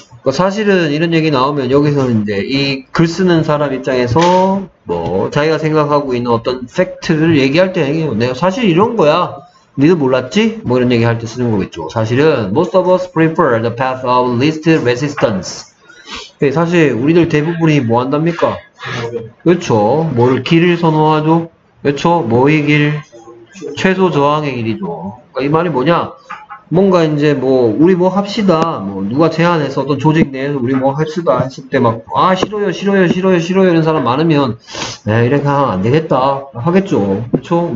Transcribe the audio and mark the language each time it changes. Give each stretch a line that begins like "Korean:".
Korean: 사실은 이런 얘기 나오면 여기서는 이제 이 글 쓰는 사람 입장에서 뭐 자기가 생각하고 있는 어떤 fact를 얘기할 때 얘기해요. 내가 사실 이런 거야. 니도 몰랐지? 뭐 이런 얘기 할 때 쓰는 거겠죠. 사실은
English: most of us prefer the path of least resistance.
Korean: 네, 사실 우리들 대부분이 뭐 한답니까? 그렇죠. 뭘 길을 선호하죠. 그렇죠. 뭐의 길? 최소 저항의 길이죠. 그러니까 이 말이 뭐냐? 뭔가 이제 뭐 우리 뭐 합시다. 뭐 누가 제안해서 어떤 조직 내에서 우리 뭐 합시다 했을 때 막 아 싫어요 이런 사람 많으면 에 이렇게 하면 안 되겠다 하겠죠. 그렇죠.